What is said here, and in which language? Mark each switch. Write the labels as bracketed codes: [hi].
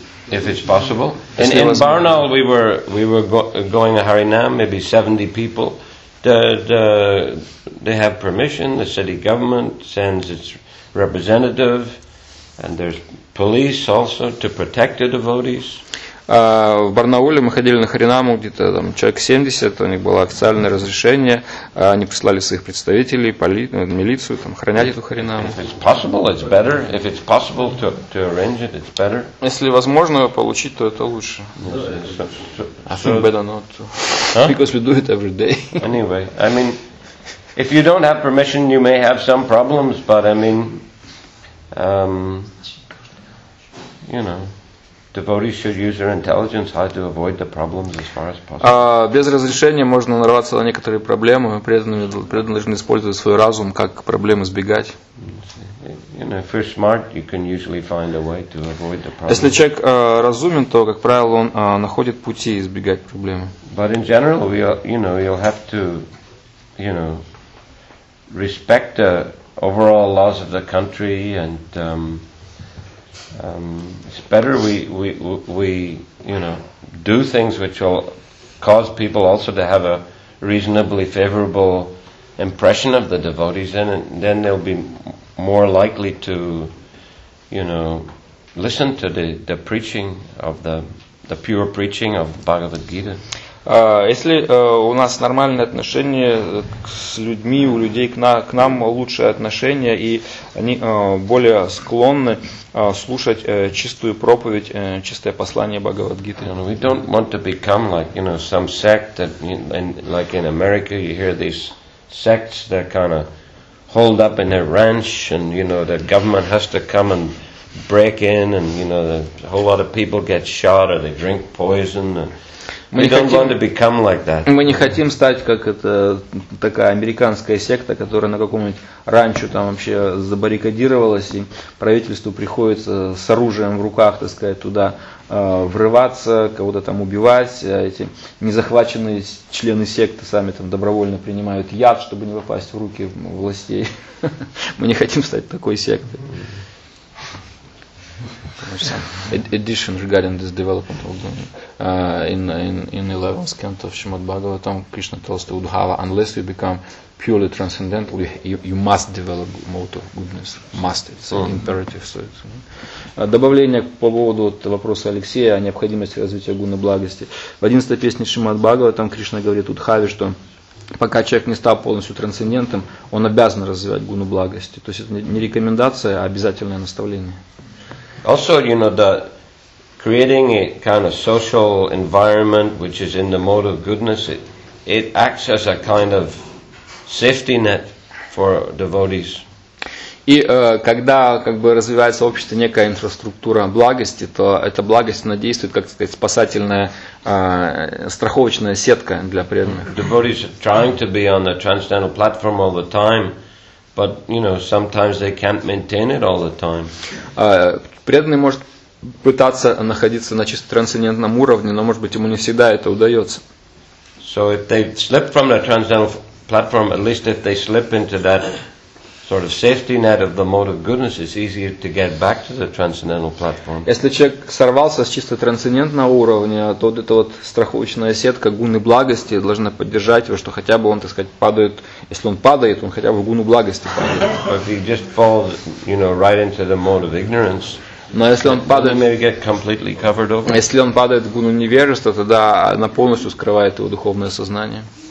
[en] If it's possible. In Barnaul, we were going to Harinam, maybe 70 people, they have permission, the city government sends its representative, and there's police also to protect the devotees. [ru] В Барнауле мы ходили на Харинаму, где-то там человек 70, у них было официальное разрешение, они прислали своих представителей, милицию, там, охранять эту Харинаму. Если возможно получить, то это лучше. [en] Anyway, I mean, if you don't have permission, you may have some problems, but I mean, you know. Devotees should use their intelligence how to avoid the problems as far as possible. [ru] Без разрешения можно нарваться на некоторые проблемы. Преданные должны использовать свой разум, как проблем избегать. [en] You know, if you're smart, you can usually find a way to avoid the problem. [ru] Если человек разумен, то, как правило, он находит пути избегать проблемы. [en] But in general, you'll have to, you know, respect the overall laws of the country and. It's better we do things which will cause people also to have a reasonably favorable impression of the devotees, and then they'll be more likely to, you know, listen to the preaching of the pure preaching of Bhagavad Gita. [ru] Если у нас нормальные отношения с людьми, у людей к нам лучшие отношения, и они более склонны слушать чистую проповедь, чистое послание Бхагавад-гиты. [en] We don't want to become like, you know, some sect that, like in America, you hear these sects that kind of hold up in their ranch, and, you know, the government has to come and break in, and, you know, a whole lot of people get shot, or they drink poison, and [ru] Мы не хотим стать как это такая американская секта, которая на каком-нибудь ранчо там вообще забаррикадировалась, и правительству приходится с оружием в руках, так сказать, туда врываться, кого-то там убивать, а эти незахваченные члены секты сами там добровольно принимают яд, чтобы не попасть в руки властей. Мы не хотим стать такой сектой. [en] Addition regarding this development of the in 11th canto of Srimad Bhagavatam, Krishna tells to Uddhava, unless you become purely transcendental, you must develop motor goodness. Must, it's an imperative. So it's, [ru] Добавление по поводу вопроса Алексея о необходимости развития гуны благости. В 11-й песне Шримад Бхагаватам Кришна говорит Уддхаве, что пока человек не стал полностью трансцендентом, он обязан развивать гуну благости. То есть это не рекомендация, а обязательное наставление. [en] Also, you know, the creating a kind of social environment which is in the mode of goodness, it acts as a kind of safety net for devotees. [ru] И когда как бы развивается общество, некая инфраструктура благости, то эта благость она действует как сказать спасательная страховочная сетка для преданных. [en] Devotees are trying to be on the transcendental platform all the time, but you know, sometimes they can't maintain it all the time. [ru] Преданный может пытаться находиться на чисто трансцендентном уровне, но, может быть, ему не всегда это удается. [en] So if they slip from the transcendental platform, at least if they slip into that sort of safety net of the mode of goodness, it's easier to get back to the transcendental platform. [ru] Если человек сорвался с чисто трансцендентного уровня, то вот эта вот страховочная сетка гуны благости должна поддержать его, что хотя бы он, так сказать, падает. Если он падает, он хотя бы в гуну благости падает. [en] But if he just falls, you know, right into the mode of ignorance. [ru] Но если он падает, [en] maybe get completely covered over. [ru] Если он падает в гуну невежества, тогда она полностью скрывает его духовное сознание.